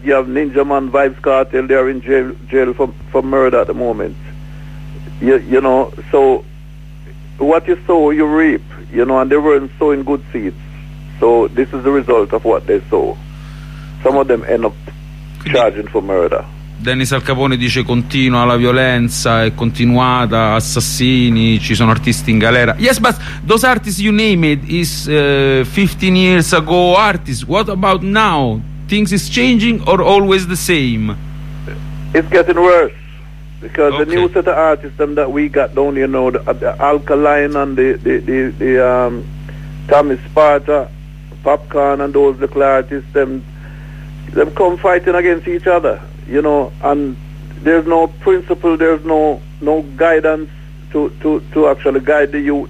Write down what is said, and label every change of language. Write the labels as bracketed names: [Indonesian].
[English] You have Ninja Man, Vibes Cartel, they are in jail for murder at the moment. You know, so what you sow, you reap, you know, and they weren't sowing good seeds. So this is the result of what they sow. Some of them end up charging for murder. [Italian] Dennis Al Capone dice continua la violenza, è continuata, assassini, ci sono artisti in galera. [English] Yes, but those artists you named is 15 years ago artists. What about now? Things is changing or always the same? It's getting worse, because okay, the new set of artists that we got down, you know, the Alkaline and the Tommy Sparta, Popcorn, and those little artists, them come fighting against each other, you know, and there's no principle, there's no guidance to actually guide the youth.